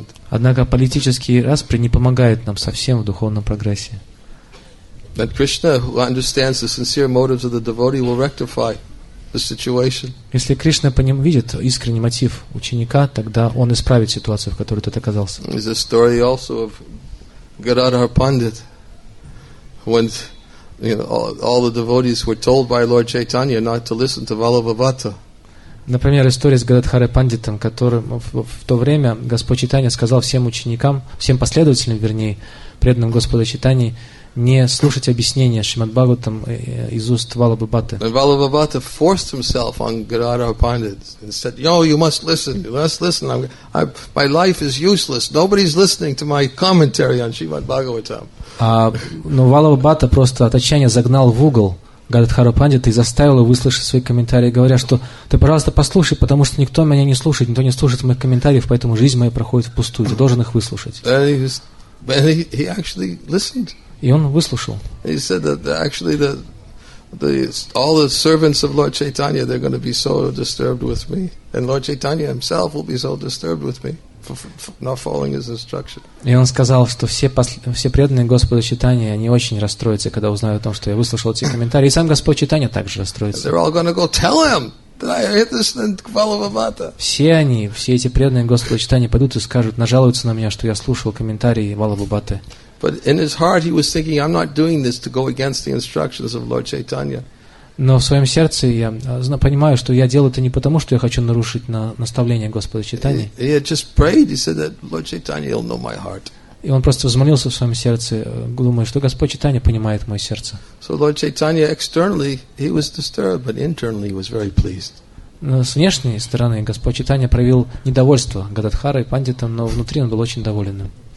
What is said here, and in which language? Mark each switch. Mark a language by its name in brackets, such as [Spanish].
[Russian] Однако политический распри не помогает нам совсем в духовном прогрессе. И Кришна, который понимает искренние мотивы преданного, исправит. Если Кришна видит искренний мотив ученика, тогда он исправит ситуацию, в которой тот оказался. [English] There's a story also of Gadadhar Pandit, when all the devotees were told by Lord Chaitanya not to listen to Vallabhavata. [Russian] Например, история с Гададхарой Пандитом, которым в то время Господь Чайтанья сказал всем ученикам, всем последователям, вернее, преданным Господа Чайтаньи, не слушать объяснения Шримад Бхагаватам из уст Валлабхабхаты. [English] And Валлабхабхата forced himself on Gadadhar Pandit and said, "No, you must listen. You must listen. My life is useless. Nobody's listening to my commentary on Shrimad Bhagavatam." [Russian] Но Валлабхабхата просто от отчаяния загнал в угол Гададхару Пандита и заставил его выслушать свои комментарии, говоря, что ты, пожалуйста, послушай, потому что никто меня не слушает, никто не слушает моих комментариев, поэтому жизнь моя проходит впустую. Ты должен их выслушать. [English] But he actually listened. [Russian] И он выслушал. [English] He said that actually all the servants of Lord Chaitanya, they're going to be so disturbed with me, and Lord Chaitanya himself will be so disturbed with me for not following his instruction. [Russian] И он сказал, что все преданные Господу Чайтанье, они очень расстроятся, когда узнают о том, что я выслушал эти комментарии. И сам Господь Чайтанья также расстроится. [English] They're all going to go tell him that I listened to Vallabhavata. [Russian] Все они, все эти преданные Господу Чайтанье пойдут и скажут, нажалуются на меня, что я слушал комментарии Валлабхабхаты. [English] But in his heart he was thinking, I'm not doing this to go against the instructions of Lord Chaitanya. [Russian] Но в своем сердце я понимаю, что я делаю это не потому, что я хочу нарушить наставление Господа Чайтаньи. [English] He had just prayed, he said that Lord Chaitanya will know my heart. [Russian] И он просто взмолился в своем сердце, думая, что Господь Чайтанья понимает мое сердце. [English] So Lord Chaitanya externally he was disturbed, but internally he was very pleased. [Russian] Но с внешней стороны Господь Чайтанья проявил недовольство Гададхарой и Пандитом, но внутри он был очень доволен.